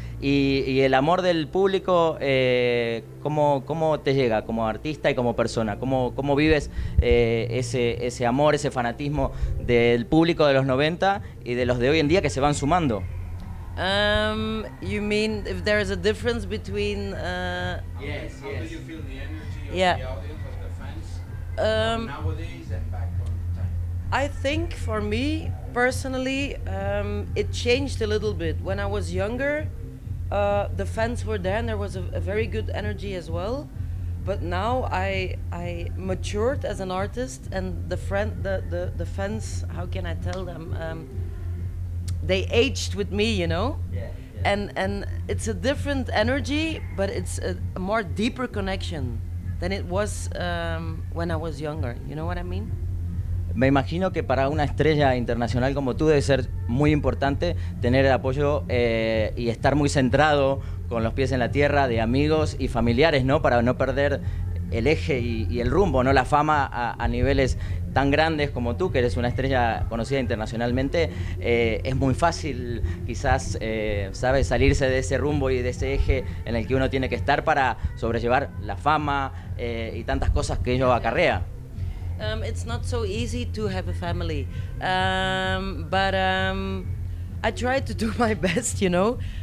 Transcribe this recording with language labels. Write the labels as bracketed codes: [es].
[es] Y el amor del público, ¿cómo te llega como artista y como persona? ¿Cómo vives ese amor, ese fanatismo del público de los 90 y de los de hoy en día que se van sumando? [en] You mean if there is a difference between... Yes. How do you feel the energy of the audience, of the fans, nowadays and back? I think for me personally, it changed a little bit. When I was younger, the fans were there and there was a very good energy as well. But now I matured as an artist, and the fans, how can I tell them? They aged with me, you know? Yeah. And it's a different energy, but it's a more deeper connection than it was when I was younger. You know what I mean? [es] Me imagino que para una estrella internacional como tú debe ser muy importante tener el apoyo y estar muy centrado con los pies en la tierra de amigos y familiares, ¿no? Para no perder el eje y el rumbo, ¿no? La fama a niveles tan grandes como tú, que eres una estrella conocida internacionalmente, es muy fácil quizás, ¿sabes? Salirse de ese rumbo y de ese eje en el que uno tiene que estar para sobrellevar la fama y tantas cosas que ello acarrea. [en] It's not so easy to have a family, but I try to do my best, you know.